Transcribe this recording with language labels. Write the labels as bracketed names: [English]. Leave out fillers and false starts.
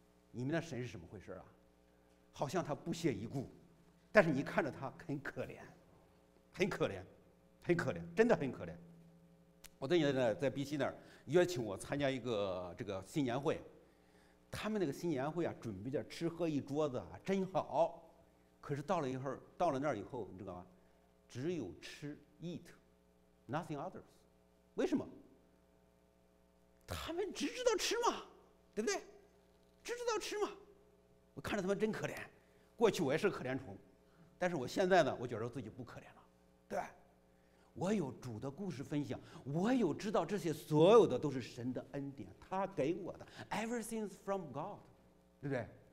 [Chinese] 你们的神是什么回事啊？好像他不屑一顾，但是你看着他很可怜，很可怜，很可怜，真的很可怜。我最近在 BC 那儿约请我参加一个这个新年会，他们那个新年会啊，准备着吃喝一桌子啊，真好。可是到了以后，到了那儿以后，你知道吗？只有吃 [English] eat，nothing others。 [Chinese] 为什么？他们只知道吃嘛，对不对？只知道吃嘛。我看着他们真可怜。过去我也是可怜虫，但是我现在呢，我觉得自己不可怜了，对吧？我有主的故事分享，我有知道这些所有的都是神的恩典，他给我的 ， [English] everything's from God， [Chinese] 对不对？